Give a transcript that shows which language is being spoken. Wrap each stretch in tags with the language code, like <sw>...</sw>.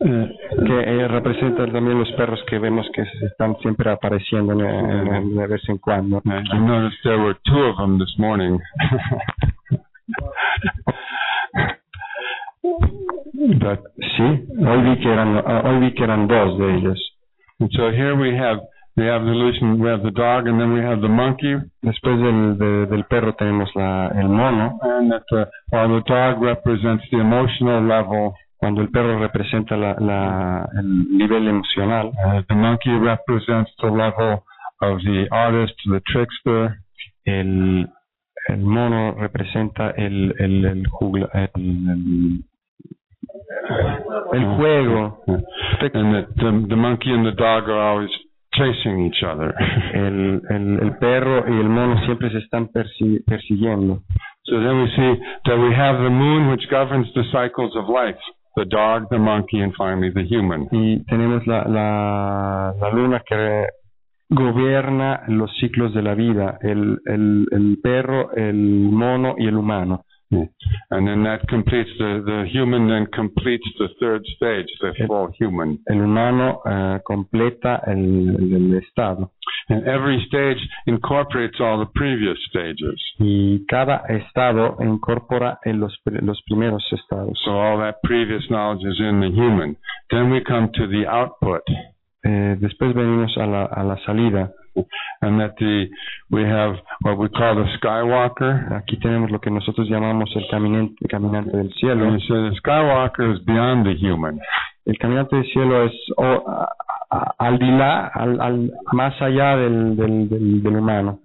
<es>Que representa también los perros que vemos que están siempre apareciendo de vez en cuando.</es> <en>I noticed there were two of them this morning.</en> <es>But, sí, hoy vi que eran dos de ellos.</es> <en>And so here we have the solution, we have the dog, and then we have the monkey.</en> <es>Después del perro tenemos el mono.</es> <en>And that while the dog represents the emotional level,</en> <es>cuando el perro representa el nivel emocional,</es> <en>the monkey represents the level of the artist, the trickster.</en> <es>El mono representa el juego.</es> <en>And the monkey and the dog are always chasing each other.</en> <es>El perro y el mono siempre se están persiguiendo.</es> <en>So then we see that we have the moon, which governs the cycles of life. The dog, the monkey, and finally the human.</en> <es>Y tenemos la luna que gobierna los ciclos de la vida, el perro, el mono y el humano.</es> <en>And then that completes the human, then completes the third stage, the full human.</en> <es>El humano completa el estado.</es> <en>And every stage incorporates all the previous stages.</en> <es>Y cada estado incorpora en los primeros estados.</es> <en>So all that previous knowledge is in the human. Then we come to the output.</en> <es>Después venimos a la salida.</es> <en>And that we have what we call the skywalker.</en> <es>Aquí tenemos lo que nosotros llamamos el caminante del cielo.</es> <en>And so the skywalker is beyond the human.</en> <es>El caminante del cielo es al más allá del humano.</es>